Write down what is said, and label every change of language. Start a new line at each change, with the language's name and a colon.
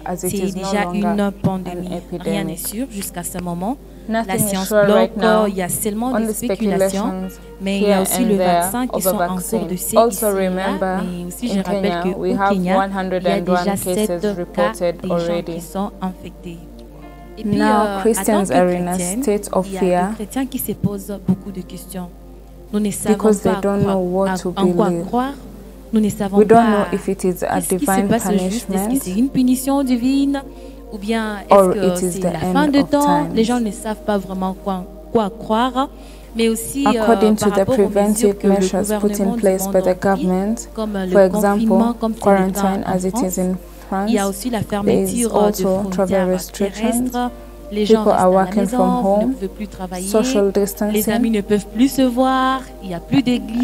French: C'est déjà une pandémie. Rien n'est sûr jusqu'à ce moment. La science bloque, il y a seulement des spéculations, mais il y a aussi le vaccin qui sont en cours de circuler. Mais aussi, je rappelle qu'au Kenya, il y a déjà 7 cas des gens qui sont infectés.
English: Puis, now Christians are in a state of fear because they don't know what to believe. We don't know if it is a divine punishment or it is the end of time.
French: Les gens ne savent pas vraiment quoi croire. Mais aussi,
English: according to the preventive measures put in place by the government, for example, quarantine as it is in France,
French: il y a aussi la fermeture de frontières terrestres. Les gens
English: people are working from home,
French: ne plus travailler.
English: Social distancing.
French: Les amis ne peuvent plus se voir. Il y a plus d'église.